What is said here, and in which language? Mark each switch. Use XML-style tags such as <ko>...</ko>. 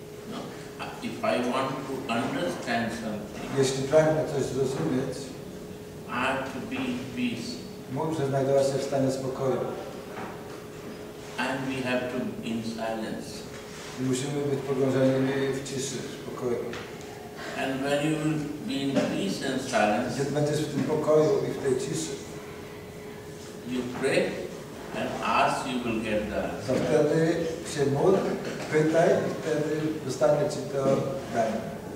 <en>No, if I want to understand something,</en> <pl>jeśli pragnę coś zrozumieć,</pl> <en>I have to be in peace.</en> <pl>Muszę znajdować się w stanie spokoju.</pl> <en>And we have to be in silence.</en> <pl>I musimy być pogrążeni w ciszy, w spokoju.</pl> <en>And when you will be in peace and silence,</en> <pl>kiedy będziesz w tym pokoju i w tej ciszy,</pl> <en>you pray and ask, you will get that.</en> <pl>Wtedy się módl, pytaj, i wtedy dostanie ci to dane.</pl>